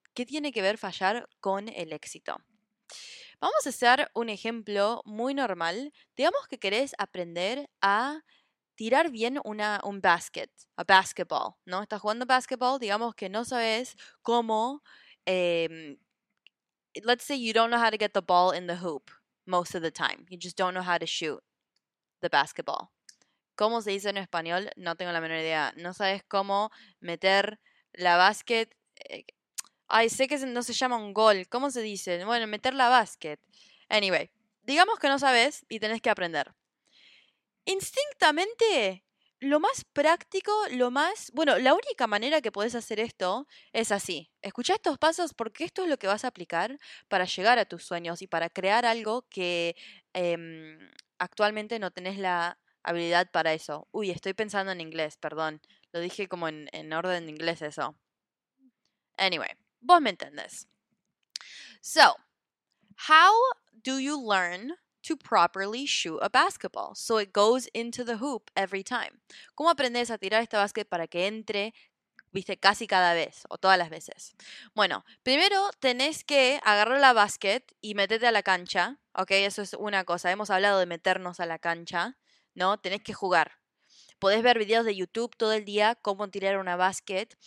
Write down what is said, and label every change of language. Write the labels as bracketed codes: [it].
[es] ¿Qué tiene que ver fallar con el éxito? Vamos a hacer un ejemplo muy normal. Digamos que querés aprender a tirar bien un basketball, ¿no? Estás jugando basketball, digamos que no sabes cómo. [en] Let's say you don't know how to get the ball in the hoop most of the time. You just don't know how to shoot the basketball. [es] ¿Cómo se dice en español? No tengo la menor idea. No sabes cómo meter la basket. Ay, sé que no se llama un gol. ¿Cómo se dice? Bueno, meter la basket. Anyway, digamos que no sabes y tenés que aprender. Instintamente, lo más práctico, lo más... Bueno, la única manera que podés hacer esto es así. Escuchá estos pasos porque esto es lo que vas a aplicar para llegar a tus sueños y para crear algo que actualmente no tenés la habilidad para eso. Uy, estoy pensando en inglés, perdón. Lo dije como en orden de inglés eso. Anyway. Vos me entendés. [en] So, how do you learn to properly shoot a basketball so it goes into the hoop every time? [es] ¿Cómo aprendes a tirar este básquet para que entre, viste, casi cada vez o todas las veces? Bueno, primero tenés que agarrar la básquet y meterte a la cancha, ¿ok? Eso es una cosa. Hemos hablado de meternos a la cancha, ¿no? Tenés que jugar. Podés ver videos de YouTube todo el día cómo tirar una basket.